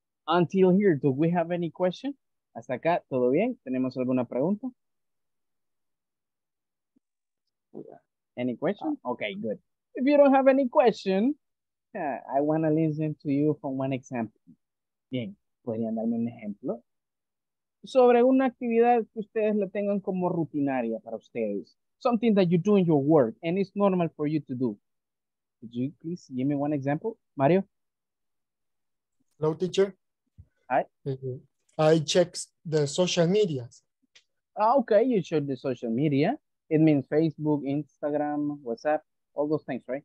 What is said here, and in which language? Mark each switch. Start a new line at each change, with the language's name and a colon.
English: Until here, do we have any question?
Spanish: Hasta acá, ¿todo bien? ¿Tenemos alguna pregunta?
English: Any question? Okay, good. If you don't have any question, I want to listen to you from one example.
Spanish: Bien, ¿podrían darme un ejemplo? Sobre una actividad que ustedes la tengan como rutinaria para ustedes.
English: Something that you do in your work and it's normal for you to do. Could you please give me one example? Mario? Hello, teacher. Hi. I check the social media. Okay, you check the social media. It means Facebook, Instagram, WhatsApp, all those things, right?